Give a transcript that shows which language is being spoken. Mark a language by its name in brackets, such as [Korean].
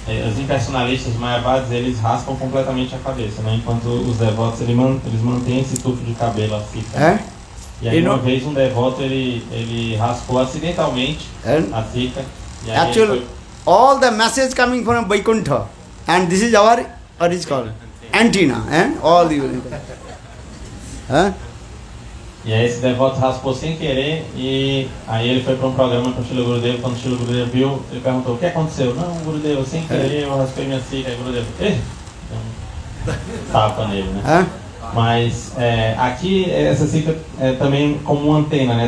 [Portuguese] Os impersonalistas mayavadis, eles raspam completamente a cabeça, né? Enquanto os devotos, eles mantêm esse tufo de cabelo, assim. Hã? E aí, uma vez, um devoto, ele raspou acidentalmente a sika. [English] Actually, all the message coming from Vaikuntha, and this is our, what is called? Antenna, eh? All the... [Portuguese] E aí, esse devoto raspou sem querer, e aí ele foi para um programa com o Shila Gurudev. Quando o Shila Gurudev viu, ele perguntou, o que aconteceu? Não, Gurudev, sem querer, eu raspei minha sika. Aí, Gurudev, eh? Tapa nele, né? Mas aqui essa sika é também como uma antena, né?